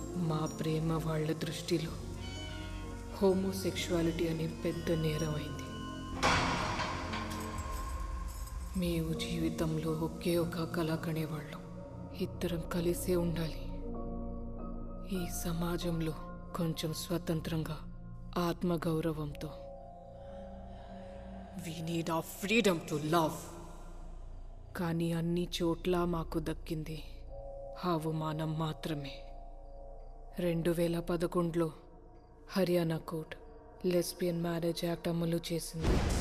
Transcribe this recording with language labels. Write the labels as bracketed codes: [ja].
[te] మా ప్రేమ వాళ్ళ దృష్టిలో హోమోసెక్షువాలిటీ అనే పెద్ద నేరం అయింది. మేము జీవితంలో ఒకే ఒక కళాకనే వాళ్ళం, ఇద్దరం కలిసే ఉండాలి. ఈ సమాజంలో కొంచెం స్వతంత్రంగా ఆత్మగౌరవంతో [en] We need our freedom to love. [te] కానీ అన్ని చోట్ల మాకు దక్కింది అవమానం మాత్రమే. 2011లో Haryana court lesbian marriage act అమలు చేసింది.